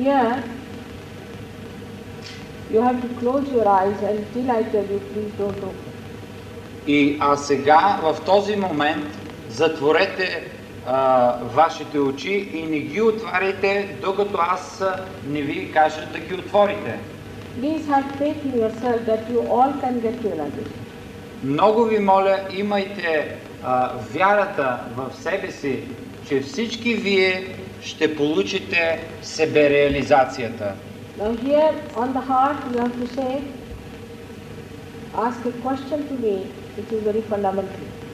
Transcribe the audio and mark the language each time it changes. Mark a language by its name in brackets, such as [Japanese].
[English] Here you have to close your eyes until I tell you, please don't open. [Bulgarian] И а сега в този момент затворете вашите очи и не ги отваряйте, докато аз не ви кажа да ги отворите. [English] Please have faith in yourself that you all can get your answers. [Bulgarian] Много ви моля, имайте вярата в себе си, че всички вие ще получите себе реализацията. [English] Now here on the heart you have to say, ask a question to me, which is very fundamental.